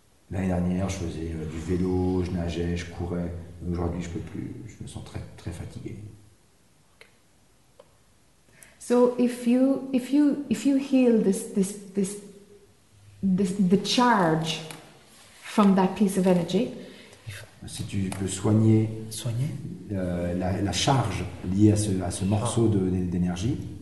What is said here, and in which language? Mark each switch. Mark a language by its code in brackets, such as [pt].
[fr] L'année dernière, je faisais du vélo, je nageais, je courais. Aujourd'hui, je peux plus. Je me sens très, très fatigué. [en] So if you heal this the charge from that piece of energy, [fr] si tu peux soigner la charge liée à ce morceau d'énergie,